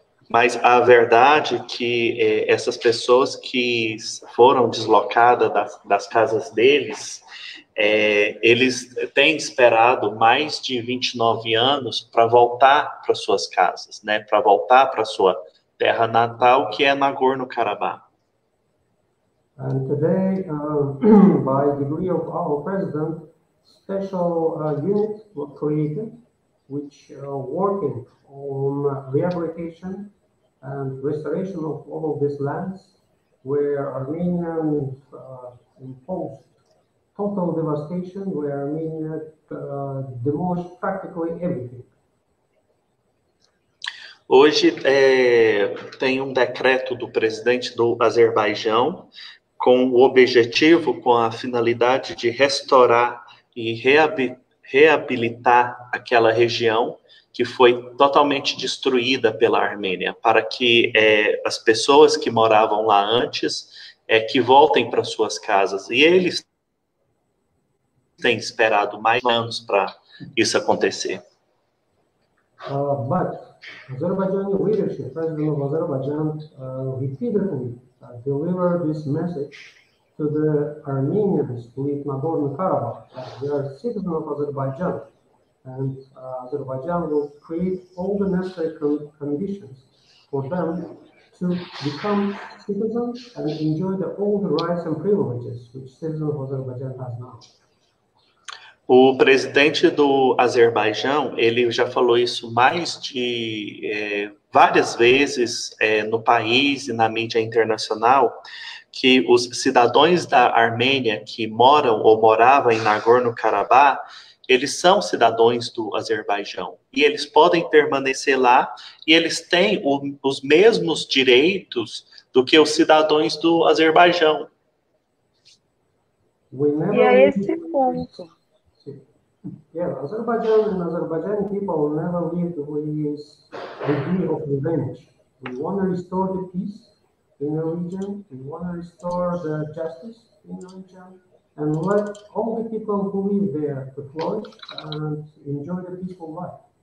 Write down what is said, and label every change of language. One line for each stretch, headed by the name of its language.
Portuguese: Mas a verdade é que essas pessoas que foram deslocadas das casas deles, eles têm esperado mais de 29 anos para voltar para suas casas, né? Para voltar para sua terra natal, que é Nagorno-Karabakh.
English: And today, by degree of our president, special unit was created, which working on rehabilitation and restoration of all of these lands where Armenians imposed total devastation, where Armenia demolished practically everything.
Portuguese: Hoje tem um decreto do presidente do Azerbaijão com o objetivo, com a finalidade de restaurar e reabilitar aquela região que foi totalmente destruída pela Armênia, para que as pessoas que moravam lá antes que voltem para suas casas. E eles têm esperado mais anos para isso acontecer.
English: But Azerbaijani leadership, president of Azerbaijan, repeatedly delivered this message to the Armenians who live in Nagorno-Karabakh. They are citizens of Azerbaijan. And Azerbaijan will create all the necessary conditions for them to become citizens and enjoy all the rights and privileges which citizens of Azerbaijan has now.
Portuguese: O presidente do Azerbaijão, ele já falou isso mais de várias vezes no país e na mídia internacional, que os cidadãos da Armênia que moram ou moravam em Nagorno-Karabakh, eles são cidadãos do Azerbaijão. E eles podem permanecer lá e eles têm os mesmos direitos do que os cidadãos do Azerbaijão. E é esse ponto.
English: Yeah, Azerbaijan and Azerbaijani people never lived with the idea of revenge. We want to restore the peace in the region, we want to restore the justice in the region, and let all the people who live there to flourish and enjoy their peaceful life.